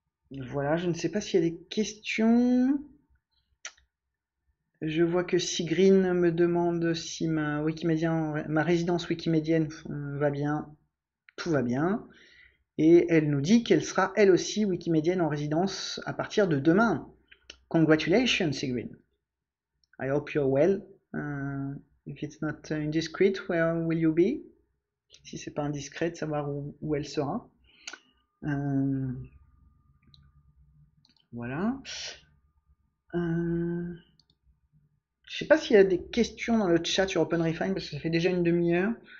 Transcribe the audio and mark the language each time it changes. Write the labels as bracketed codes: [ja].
[fr] Voilà, je ne sais pas s'il y a des questions. Je vois que Sigrin me demande si ma Wikimédia, ma résidence Wikimédienne va bien. Tout va bien. Et elle nous dit qu'elle sera elle aussi Wikimédienne en résidence à partir de demain. [en] Congratulations, Sigrin. I hope you're well. If it's not indiscreet, where will you be? [fr] Si c'est pas indiscret, de savoir où elle sera. Voilà. Je sais pas s'il y a des questions dans le chat sur OpenRefine parce que ça fait déjà une demi-heure.